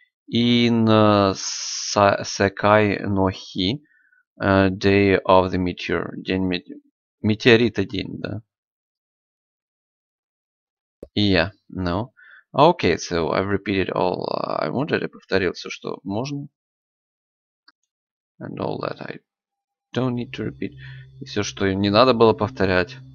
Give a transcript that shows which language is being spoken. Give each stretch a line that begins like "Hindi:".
English: In Sekai no Hi, Day of the Meteor,
Russian: метеорита день, да.
English: Yeah, no. Okay, so I've repeated all I wanted.
Russian: Я повторил все, что можно.
English: And all that I don't need to repeat.
Russian: И все, что им не надо было повторять.